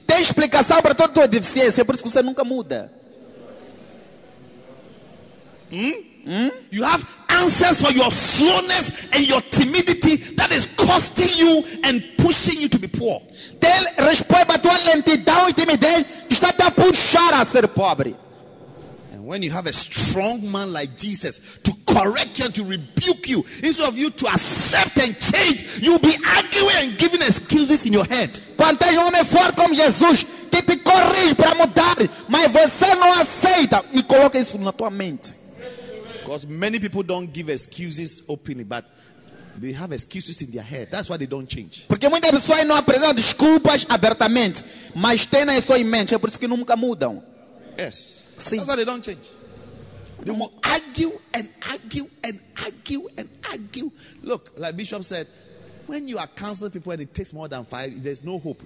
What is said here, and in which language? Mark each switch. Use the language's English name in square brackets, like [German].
[Portuguese] Tem explicação para toda a tua deficiência. É por isso que você nunca muda. [English] You have answers for your slowness and your timidity that is costing you and pushing you to be poor. [Portuguese] Tem resposta para tua lentidão e timidez que está te a puxar a ser pobre. [English] And when you have a strong man like Jesus to correct you and to rebuke you, instead of you to accept and change, you'll be arguing and giving excuses in your head. [Portuguese] Quando tem homem forte como Jesus que te corrige para mudar, mas você não aceita e coloca isso na tua mente. [English] Because many people don't give excuses openly, but they have excuses in their head. That's why they don't change. [Portuguese] Porque muitas pessoas não apresentam desculpas abertamente, mas têm na sua mente. É por isso que nunca mudam. [English] Yes. [Portuguese] Sim. [English] That's why they don't change. They will argue and argue and argue and argue. Look, like Bishop said, when you are counseling people and it takes more than five, there's no hope.